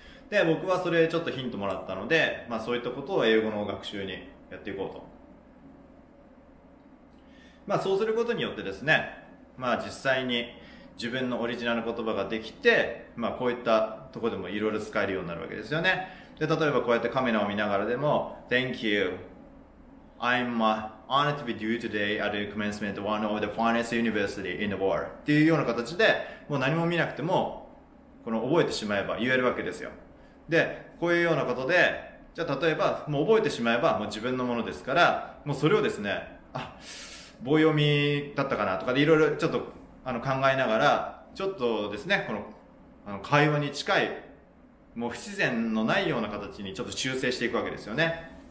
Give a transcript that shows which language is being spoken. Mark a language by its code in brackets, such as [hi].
[ja] で、僕はそれちょっとヒントもらったので、まあそういったことを英語の学習にやっていこうと。まあそうすることによってですね、まあ実際に自分のオリジナル言葉ができて、まあこういったところでもいろいろ使えるようになるわけですよね。で、例えばこうやってカメラを見ながらでも、 [en] Thank you. I'm a... Honored to be due today at the commencement of one of the finest universities in the world. [ja] っていうような形で、もう何も見なくても、この覚えてしまえば言えるわけですよ。で、こういうようなことで、じゃあ例えば、もう覚えてしまえばもう自分のものですから、もうそれをですね、あ、棒読みだったかなとかでいろいろちょっと考えながら、ちょっとですね、この、会話に近い、もう不自然のないような形にちょっと修正していくわけですよね。